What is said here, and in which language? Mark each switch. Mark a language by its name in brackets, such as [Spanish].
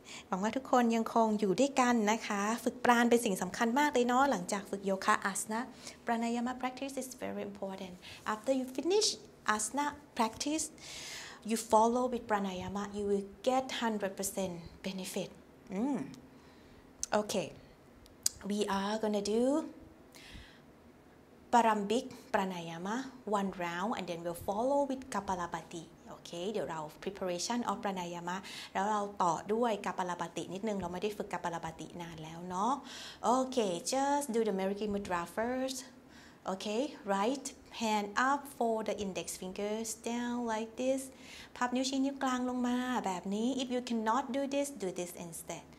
[Thai] หวังว่าทุกคนยังคงอยู่ด้วยกันนะคะฝึกปรานเป็นสิ่งสำคัญมากเลยเนาะหลังจากฝึกโยคะอาสนะ [English] Pranayama practice is very important. After you finish asana practice, you follow with pranayama, you will get 100% benefit. Okay, we are gonna do Parambhik pranayama one round and then we'll follow with Kapalabhati. [Thai] Okay, เดี๋ยวเรา preparation of pranayama แล้วเราต่อด้วย Kapalabhati นิดนึงเราไม่ได้ฝึก Kapalabhati นานแล้วเนาะ [English] Okay, just do the Meraki mudra first. Okay, right hand up for the index fingers down like this. [Thai] พับนิ้วชี้นิ้วกลางลงมาแบบนี้ [English] If you cannot do this instead.